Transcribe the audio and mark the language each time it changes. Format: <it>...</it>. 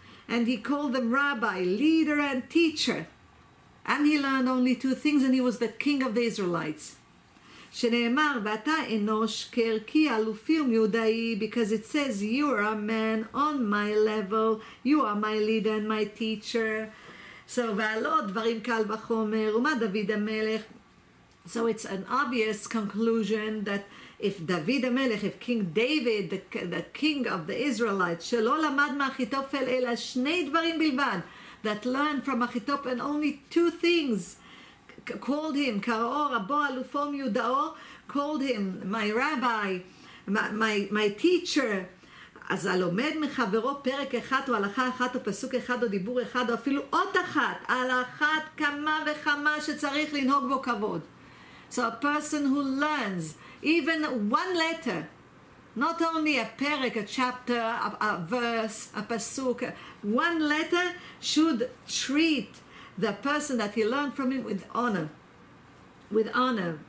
<en>And he called them rabbi, leader and teacher. And he learned only two things, and he was the king of the Israelites.</en> <he>שנאמר, ואתה אנוש כערכי אלופי ומיודעי,</he> <en>because it says, you are a man on my level, you are my leader and my teacher. So,</en> <he>ועלו דברים קל וחומר, ומה דוד המלך?</he> <en>So it's an obvious conclusion that if דוד המלך, if King David, the king of the Israelites,</en> <he>שלא למד מאחיתופל אלא שני דברים בלבד,</he> <en>that learned from אחיתופל and only two things, called him,</en> <he>קראו רבו אלופום יודעו,</he> <en>called him, my rabbi, my teacher.</en> <he>אז הלומד מחברו פרק אחת או הלכה אחת או פסוק אחד או דיבור אחד או אפילו עוד אחת, על אחת כמה וכמה שצריך לנהוג בו כבוד.</he> <en>So a person who learns even one letter, not only a perek, a chapter, a verse, a pasuk, one letter should treat the person that he learned from him with honor. With honor.</en>